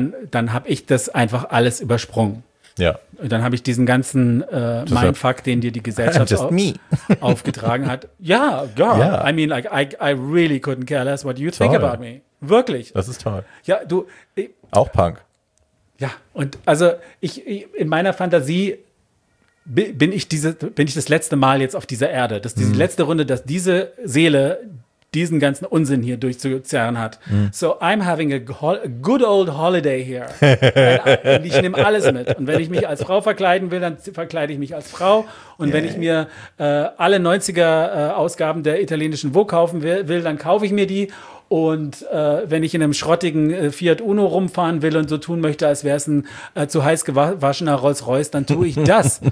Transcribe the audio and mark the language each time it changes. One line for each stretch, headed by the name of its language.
German: Dann habe ich das einfach alles übersprungen. Ja. Und dann habe ich diesen ganzen Mindfuck, den dir die Gesellschaft aufgetragen hat. Ja,
English: girl. Yeah. I mean, like, I really couldn't care less what you toll. Think about me.
German: Wirklich. Das ist toll. Ja, du. Auch Punk. Ja, und also ich in meiner Fantasie bin ich das letzte Mal jetzt auf dieser Erde. Das ist diese letzte Runde, dass diese Seele diesen ganzen Unsinn hier durchzuzerren hat. Mm.
English: So I'm having a good old holiday here.
German: Und ich nehme alles mit. Und wenn ich mich als Frau verkleiden will, dann verkleide ich mich als Frau. Und wenn ich mir alle 90er-Ausgaben der italienischen Vogue kaufen will, dann kaufe ich mir die. Und wenn ich in einem schrottigen Fiat Uno rumfahren will und so tun möchte, als wäre es ein zu heiß gewaschener Rolls-Royce, dann tue ich das.